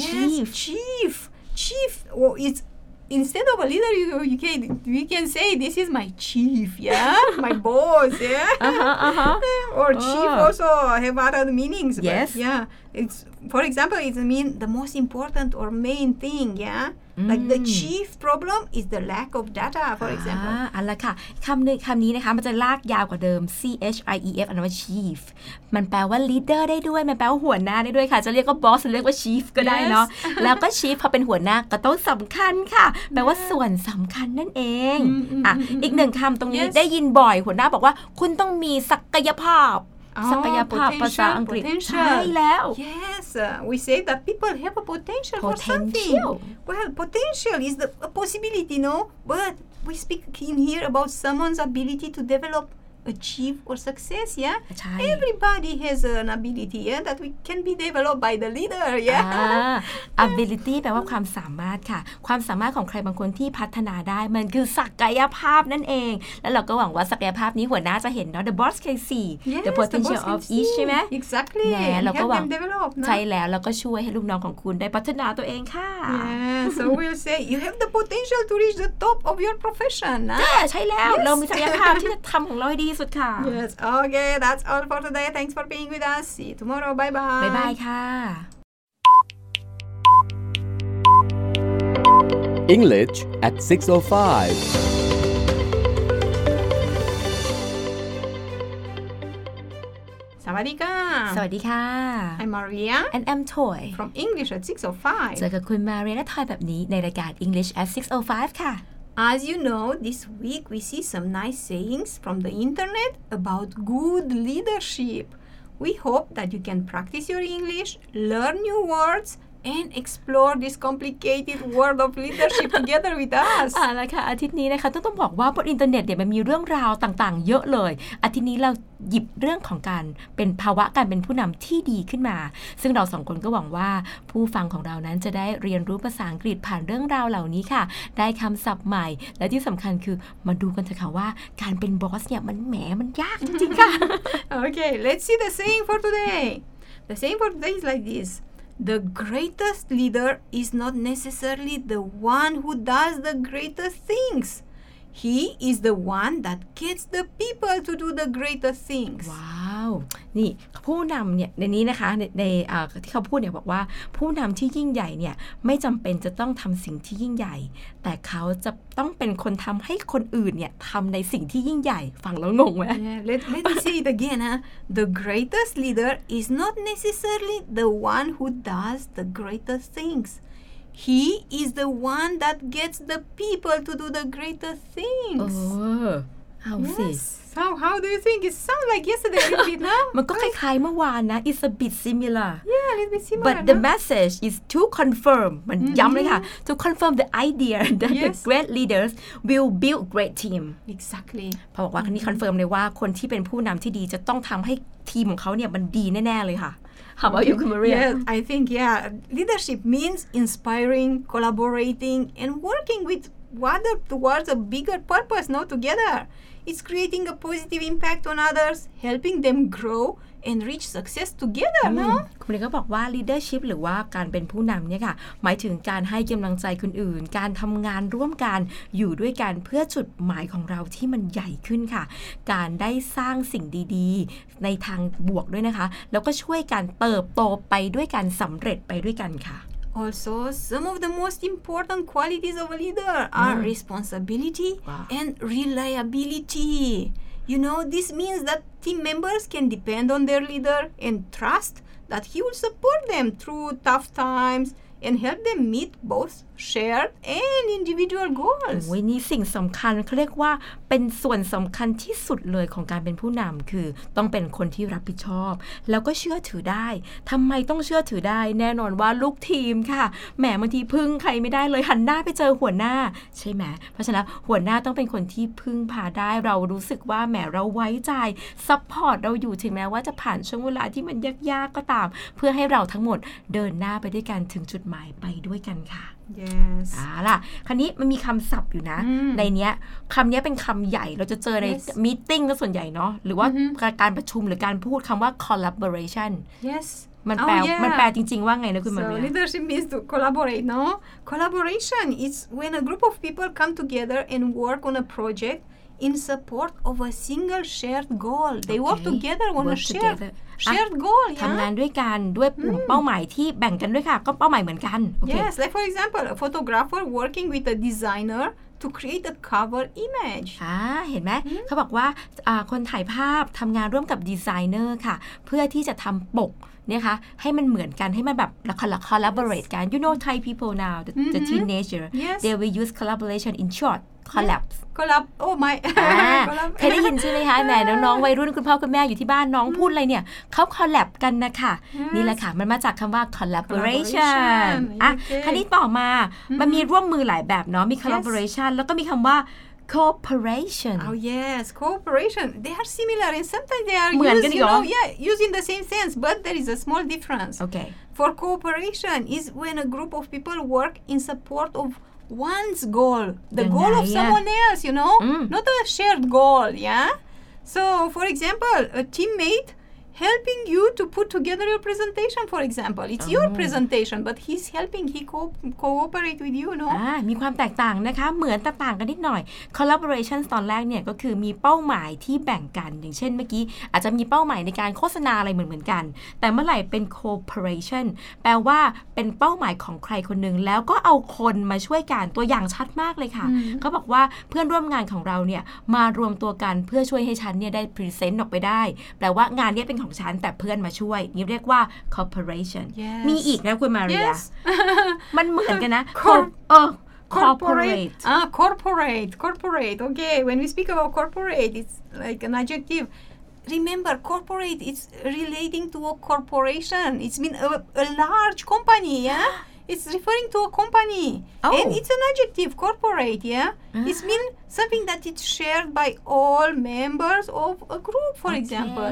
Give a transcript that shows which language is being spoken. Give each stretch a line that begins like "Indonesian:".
English: yes, chief well it's instead of a leader you can say this is my chief yeah my boss yeah uh-huh. or chief also have other meanings yes but yeah it's for example it mean the most important or main thing yeahLike the chief problem is the lack of data, for example.
Thai: อันละค่ะคำนี้นะคะมันจะลากยาวกว่าเดิม C-H-I-E-F อันนั้นว่า chief มันแปลว่า leader ได้ด้วยมันแปลว่าหัวหน้าได้ด้วยค่ะจะเรียกว่า boss เรียกว่า chief ก็ได้เนาะแล้วก็ chief พอเป็นหัวหน้าก็ต้องสำคัญค่ะแปลว่าส่วนสำคัญนั่นเองอ่ะอีกหนึ่งคำตรงนี้ได้ยินบ่อยหัวหน้าบอกว่าคุณต้องมีศักยภาพภาษาอังกฤษ
English: potential.
Thai: ใช่แล้ว
English: Yes we say that people have a potential, potential. for something Well potential is a possibility no but we speak in here about someone's ability to develop achieve or success yeah
Thai: ใช่
English: Everybody has an ability yeah that we can be developed by the leader yeah
Thai: ability แปลว่าความสามารถค่ะความสามารถของใครบางคนที่พัฒนาได้มันคือศักยภาพนั่นเองแล้วเราก็หวังว่าศักยภาพนี้หัวหน้าจะเห็นเนาะ
English: the boss can see yes, the potential the of each
Thai: ใช่ไหม
English: exactly
Thai: แล้วก็หวัง
English: develop,
Thai: ใช่แล้วเราก็ช่วยให้ลูกน้องของคุณได้พัฒนาตัวเองค่ะ
English: yeah so we'll say you have the potential to reach the top of your profession นะ
Thai: ใช่แล้วเรามีศักยภาพที่จะทำของเราดีสุดค่ะ
English: Yes okay that's all for today thanks for being with us see you tomorrow bye bye bye bye ค่ะ English at 6:05
Thai: สวัสดีค่ะ สวัสดีค่ะ
English: I'm Maria and I'm Toy from English at 6:05
Thai: เจอกับคุณ Maria และ Toy แบบนี้ในรายการ English at 6:05 ค่ะ
English: As you know this week we see some nice sayings from the internet about good leadership we hope that you can practice your English learn new wordsAnd explore this complicated world of leadership together with us.
Thai: นะคะอาทิตย์นี้นะคะต้องบอกว่าบนอินเทอร์เน็ตเนี่ยมันมีเรื่องราวต่างๆเยอะเลยอาทิตย์นี้เราหยิบเรื่องของการเป็นภาวะการเป็นผู้นำที่ดีขึ้นมาซึ่งเราสองคนก็หวังว่าผู้ฟังของเรานั้นจะได้เรียนรู้ภาษาอังกฤษผ่านเรื่องราวเหล่านี้ค่ะได้คำศัพท์ใหม่และที่สำคัญคือมาดูกันเถอะค่ะว่าการเป็นบอสเนี่ยมันยากจริงๆค่ะ
English: โอเค let's see the saying for today. The saying for today is like this. The greatest leader is not necessarily the one who does the greatest things. He is the one that gets the people to do the greatest things. Wow.
Thai: นี่ผู้นำเนี่ยในนี้นะคะในที่เขาพูดเนี่ยบอกว่าผู้นำที่ยิ่งใหญ่เนี่ยไม่จำเป็นจะต้องทำสิ่งที่ยิ่งใหญ่แต่เขาจะต้องเป็นคนทำให้คนอื่นเนี่ยทำในสิ่งที่ยิ่งใหญ่ฟังแล้วงงไหม
English: Yeah, let me say it again, huh? The greatest leader is not necessarily the one who does the greatest things. He is the one that gets the people to do the greatest things. Oh. How do you think it sounds like yesterday a bit, no?
Thai: มันก็คล้ายๆเมื่อวานนะ
English: it's a bit similar yeah a little bit similar but the message is to confirm
Thai: มันย้ำเลยค่ะ
English: to confirm the idea that the great leaders will build great team exactly
Thai: พอบอกว่าคันนี้ confirm เลยว่าคนที่เป็นผู้นำที่ดีจะต้องทำให้ทีมของเขาเนี่ยมันดีแน่ๆเลยค่ะ
English: How about you, Maria? Yes, I think, yeah. Leadership means inspiring, collaborating, and working with other towards a bigger purpose, not together. It's creating a positive impact on others, helping them grow and reach success together, no?
Thai: คุณเรียกบอกว่า leadership หรือว่าการเป็นผู้นำเนี่ยค่ะหมายถึงการให้กำลังใจคนอื่นการทำงานร่วมกันอยู่ด้วยกันเพื่อจุดหมายของเราที่มันใหญ่ขึ้นค่ะการได้สร้างสิ่งดีๆในทางบวกด้วยนะคะแล้วก็ช่วยกันเติบโตไปด้วยกันสำเร็จไปด้วยกันค่ะ
English: Also, some of the most important qualities of a leader are responsibility and reliability. You know, this means that team members can depend on their leader and trust that he will support them through tough times. And help them meet both shared and individual goals.
Thai: วันนี้สิ่งสำคัญเขาเรียกว่าเป็นส่วนสำคัญที่สุดเลยของการเป็นผู้นำคือต้องเป็นคนที่รับผิดชอบแล้วก็เชื่อถือได้ทำไมต้องเชื่อถือได้แน่นอนว่าลูกทีมค่ะแหมบางทีพึ่งใครไม่ได้เลยหันหน้าไปเจอหัวหน้าใช่ไหมเพราะฉะนั้นหัวหน้าต้องเป็นคนที่พึ่งพาได้เรารู้สึกว่าแหมเราไว้ใจซัพพอร์ตเราอยู่ถึงแม้ว่าจะผ่านช่วงเวลาที่มันยากๆก็ตามเพื่อให้เราทั้งหมดเดินหน้าไปด้วยกันถึงจุดไปด้วยกันค่ะ
English: yes
Thai: อ่าล่ะคราวนี้มันมีคำศัพท์อยู่นะในเนี้ยคำนี้เป็นคำใหญ่เราจะเจอในมีตติ้งส่วนใหญ่เนาะหรือว่า การประชุมหรือการพูดคำว่า collaboration
English: yes
Thai: มันแปล มันแปลจริงๆว่าไงนะคุณมาเรีย
English: so leadership means to collaborate no collaboration is when a group of people come together and work on a projectin support of a single shared goal they work together on a shared goal
Thai: ทำงานด้วยกันด้วยกลุ่มเป้าหมายที่แบ่งกันด้วยค่ะก็เป้าหมายเหมือนกัน
English: yes like for example a photographer working with a designerTo create a cover image.
Thai: เห็นไหมเขาบอกว่าคนถ่ายภาพทำงานร่วมกับดีไซเนอร์ค่ะเพื่อที่จะทำปกเนี่ยค่ะให้มันเหมือนกันให้มันแบบละ collaborate กัน
English: You know Thai people now the teenager they will use collaboration in short collab Oh my
Thai: เคยได้ยินใช่ไหมคะแม่น้องๆวัยรุ่นคุณพ่อคุณแม่อยู่ที่บ้านน้องพูดอะไรเนี่ยเขา collab กันนะคะนี่แหละค่ะมันมาจากคำว่า collaboration อ่ะคราวนี้ต่อมามันมีร่วมมือหลายแบบเนาะมี collaboration แล้วก็มีคำว่าcooperation
English: oh yes cooperation they are similar and sometimes they are used, you know, yeah using the same sense but there is a small difference okay for cooperation is when a group of people work in support ofone's goal the goal of someone else you know not a shared goal yeah so for example a teammateHelping you to put together your presentation, for example. It's your presentation, but he's helping, he cooperate with you, no?
Thai: มีความแตกต่างนะคะเหมือนต่างกันนิดหน่อย Collaboration ตอนแรกเนี่ยก็คือมีเป้าหมายที่แบ่งกันอย่างเช่นเมื่อกี้อาจจะมีเป้าหมายในการโฆษณาอะไรเหมือนกันแต่เมื่อไหร่เป็น Cooperation แปลว่าเป็นเป้าหมายของใครคนหนึ่งแล้วก็เอาคนมาช่วยกันตัวอย่างชัดมากเลยค่ะเขาบอกว่าเพื่อนร่วมงานของเราเนี่ยมารวมตัวกันเพื่อช่วยให้ฉันเนี่ยได้พรีเซนต์ออกไปได้แปลว่างานเนี่ยเป็นของฉันแต่เพื่อนมาช่วยนี่เรียกว่า corporation
English: yes.
Thai: มีอีกนะคุณมาเรีย
English: yes.
Thai: มันเหมือนกันนะ
English: corporate okay when we speak about corporate it's like an adjective remember corporate it's relating to a corporation it's mean a large company yeah it's referring to a company and it's an adjective corporate yeah it's meanSomething that is shared by all members of a group, for example.